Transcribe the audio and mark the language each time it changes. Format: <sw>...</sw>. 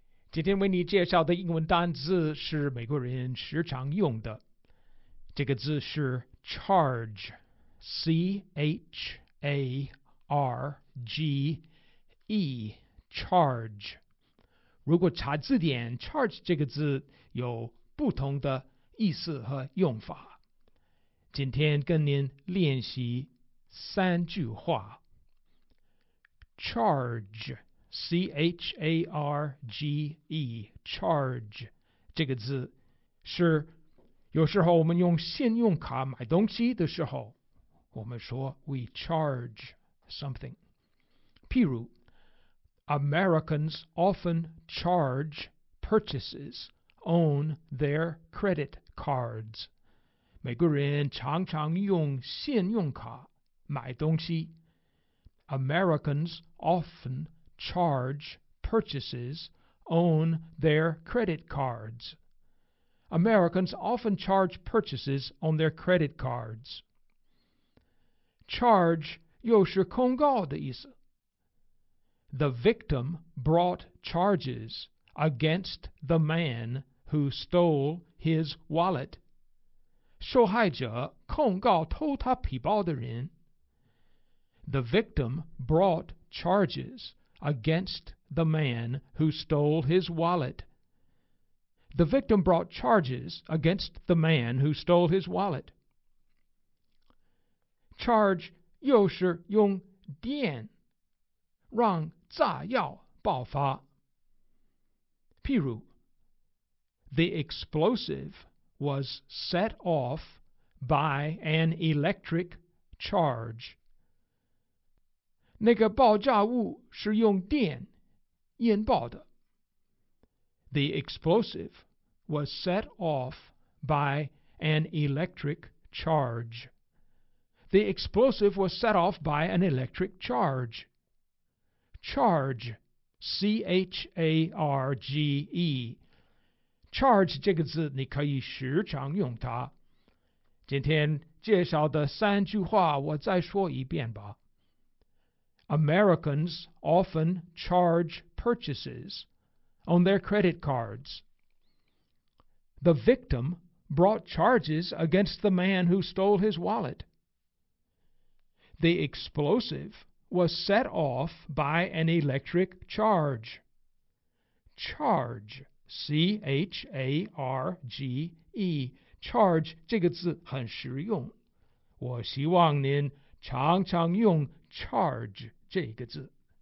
<zh>今天为你介绍的英文单字是美国人时常用的。这个字是 charge， C-H-A-R-G-E， charge。如果查字典， charge 这个字有不同的意思和用法。今天跟您练习三句话。 charge， C-H-A-R-G-E， charge 这个字是有时候我们用信用卡买东西的时候，我们说</zh> <en>we charge something。譬如 Americans often charge purchases on their credit cards，</en> <zh>美国人常常用信用卡买东西。</zh> <en>Americans often charge purchases on their credit cards。 Americans often charge purchases on their credit cards.</en> <zh>Charge 又是控告的意思。</zh> <en>The victim brought charges against the man who stole his wallet.</en> <zh>受害者控告偷他皮包的人。</zh> <en>The victim brought charges against the man who stole his wallet. The victim brought charges against the man who stole his wallet.</en> <zh>Charge 又是用电让炸药爆发。</zh> <en>譬如 The explosive was set off by an electric charge.</en> <zh>那个爆炸物是用电引爆的。</zh> <en>The explosive was set off by an electric charge. The explosive was set off by an electric charge. Charge, C-H-A-R-G-E.</en> <zh>Charge 这个字你可以时常用它。今天介绍的三句话我再说一遍吧。</zh> <en>Americans often charge purchases.On their credit cards. The victim brought charges against the man who stole his wallet. The explosive was set off by an electric charge.</en> <zh>Charge, charge, charge, 这个字很实用。我希望您常常用 charge 这个字。</zh>